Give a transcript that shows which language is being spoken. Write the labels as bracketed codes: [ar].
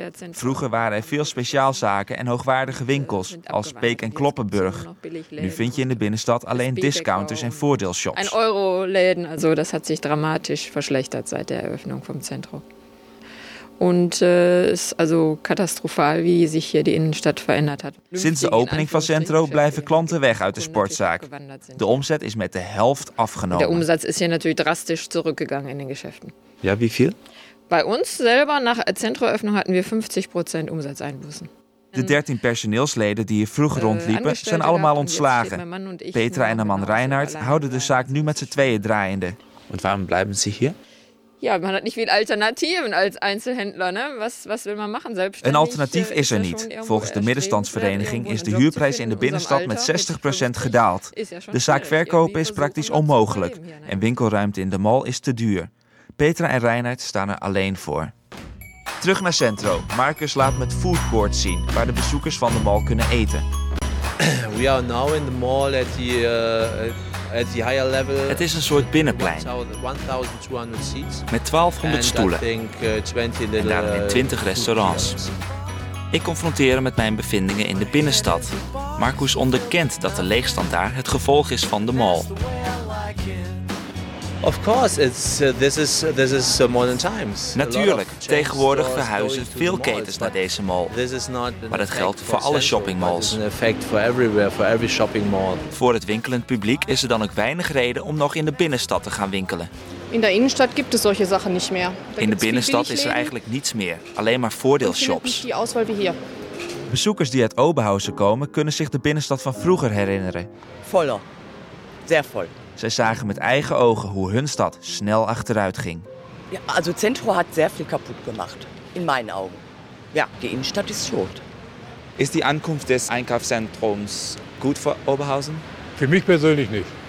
[nl] Vroeger waren er veel speciaalzaken en hoogwaardige winkels, als Peek en Kloppenburg. Nu vind je in de binnenstad alleen discounters en voordeelshops. Een euroläden, dat heeft zich dramatisch verslechterd [de] seit der Eröffnung vom Centro. Und es ist also katastrophal, wie sich hier die Innenstadt verändert hat. [nl] Sinds de opening van Centro blijven klanten weg uit de sportzaak. De omzet is met de helft afgenomen. [de] Der Umsatz ist hier natürlich drastisch zurückgegangen in den Geschäften. Ja, wie viel? Bei uns selber nach Centroöffnung hatten wir 50% Umsatzeinbußen. [nl] De 13 personeelsleden die hier vroeger rondliepen, zijn allemaal ontslagen. Petra en haar man Reinhard houden de zaak nu met z'n tweeën draaiende. En waarom blijven ze hier? [de] Ja, man hat nicht viel Alternativen als Einzelhändler, ne? Was will man machen? Selbstständig. [nl] Een alternatief is er niet. Volgens de middenstandsvereniging is de huurprijs in de binnenstad met 60% gedaald. De zaak verkopen is praktisch onmogelijk. En winkelruimte in de mall is te duur. Petra en Reinhard staan er alleen voor. Terug naar Centro. Marcus laat me het foodcourt zien, waar de bezoekers van de mall kunnen eten. [en] We are now in the mall at the higher level. [nl] Het is een soort binnenplein. [en] 1200 seats. [nl] Met 1200 stoelen. [en] I think, 20 [nl] en daarin 20 restaurants. Ik confronteer hem met mijn bevindingen in de binnenstad. Marcus onderkent dat de leegstand daar het gevolg is van de mall. [en] Of course, this is modern times. [nl] Natuurlijk, tegenwoordig verhuizen veel ketens naar deze mall. Maar dat geldt voor alle shoppingmalls. Voor het winkelend publiek is er dan ook weinig reden om nog in de binnenstad te gaan winkelen. In de binnenstad [de] gibt es solche Sachen nicht mehr. [nl] In de binnenstad is er eigenlijk niets meer, alleen maar voordeelshops. Bezoekers die uit Oberhausen komen, kunnen zich de binnenstad van vroeger herinneren. [de] Voller, sehr voll. [nl] Zij zagen met eigen ogen hoe hun stad snel achteruit ging. [de] Ja, also Centro hat sehr viel kaputt gemacht, [nl] in mijn ogen. [de] Ja, die Innenstadt ist schuld. Ist die Ankunft des Einkaufszentrums gut für Oberhausen? Für mich persönlich nicht.